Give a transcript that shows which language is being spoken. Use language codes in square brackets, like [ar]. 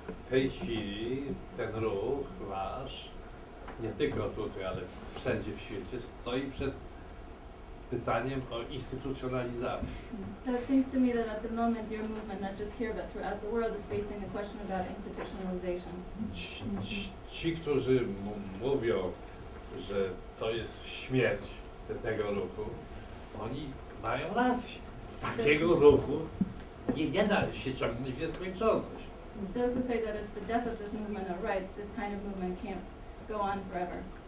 [pl] Hejci ten ruch wasz, nie tylko tutaj, ale wszędzie w świecie, stoi przed pytaniem o instytucjonalizację. [en] So it seems to me that at the moment your movement, not just here, but throughout the world, is facing the question about institutionalization. [pl] Ci, którzy mówią, że to jest śmierć tego ruchu, oni mają rację. Takiego ruchu nie da się ciągnąć w nieskończoność. [en] Those who say that it's the death of this movement are right. This kind of movement can't go on forever.